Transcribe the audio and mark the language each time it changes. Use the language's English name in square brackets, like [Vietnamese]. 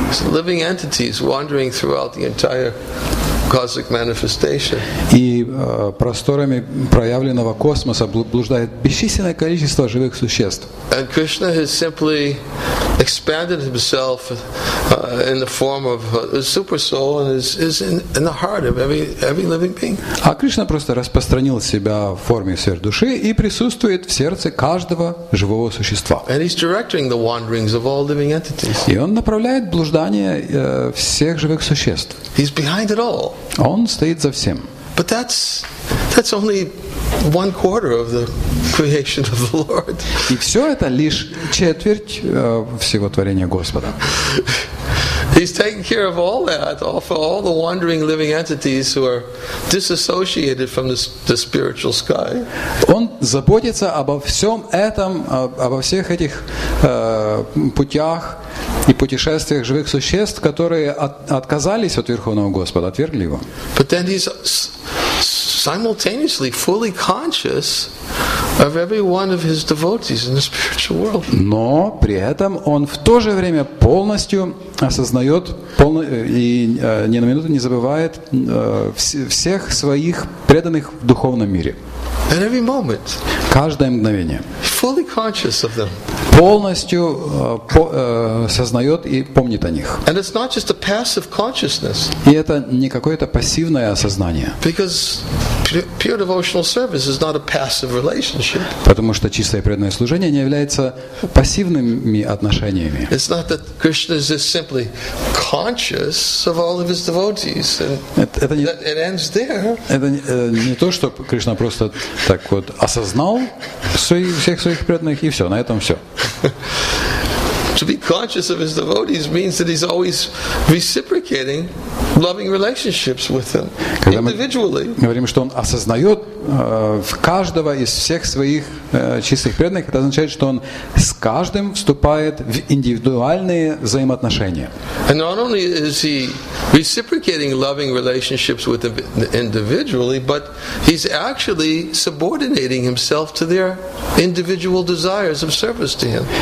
[English] Living entities wandering throughout the entire cosmic manifestation. [Russian] И просторами проявленного космоса блуждает бесчисленное количество живых существ. [English] And Krishna has simply expanded himself in the form of a super soul and is in the heart of every living being. [Russian] А Кришна просто распространил себя в форме сверхдуши и присутствует в сердце каждого живого существа. [English] And he's directing the wanderings of all living entities. [Russian] И он направляет блуждание всех живых существ. [English] He's behind it all. [Russian] Он стоит за всем. [English] But that's only one quarter of the creation of the Lord. [Russian] И все это лишь четверть всего творения Господа. [English] He's taking care of all that, for all the wandering living entities who are disassociated from the spiritual sky. [Russian] Он заботится обо всем этом, обо всех этих путях и путешествиях живых существ, которые отказались от Верховного Господа, отвергли его. [English] But then he's simultaneously fully conscious of every one of his devotees in the spiritual world. [Russian] Но при этом он в то же время полностью осознает и ни на минуту не забывает всех своих преданных в духовном мире. [English] And every moment, [Russian] каждое мгновение, [English] fully conscious of them, [Russian] полностью сознает и помнит о них. [English] And it's not just a passive consciousness, [Russian] и это не какое-то пассивное осознание. [English] Because pure devotional service is not a passive relationship. [Russian] Потому что чистое преданное служение не является пассивными отношениями. [English] It's not that Krishna is just simply conscious of all of his devotees, and it ends there. [Russian] Это не то, что Кришна просто так вот осознал всех своих преданных и все, на этом все. [English] To be conscious of his devotees means that he's always reciprocating loving relationships with them individually. [Russian] Когда мы говорим, что он осознает в каждого из всех своих чистых преданных, это означает, что он с каждым вступает в индивидуальные взаимоотношения. [English] And not only is he reciprocating loving relationships with them individually, but he's actually subordinating himself to their individual desires of service to him.